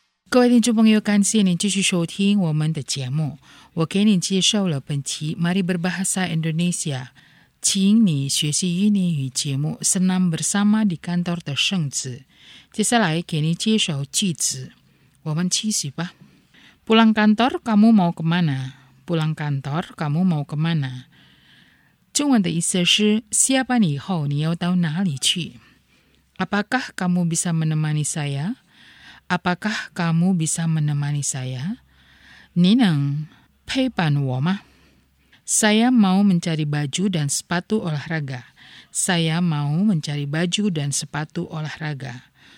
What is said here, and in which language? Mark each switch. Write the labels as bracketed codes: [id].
[zh] 各位听众朋友，感谢您继续收听我们的节目。我给您介绍了本期 Mari Berbahasa Indonesia 请你学习印尼语节目 Senam Bersama di Kantor 的圣旨。接下来给您介绍句子，我们继续吧。 [id] Pulang kantor kamu mau kemana? Pulang kantor kamu mau kemana? [zh] 中文的意思是下班以后你要到哪里去？ [id] Apakah kamu bisa menemani saya? Apakah kamu bisa menemani saya? [zh] Nineng, peipan wo ma? [id] Saya mau mencari baju dan sepatu olahraga. Saya mau mencari baju dan sepatu olahraga.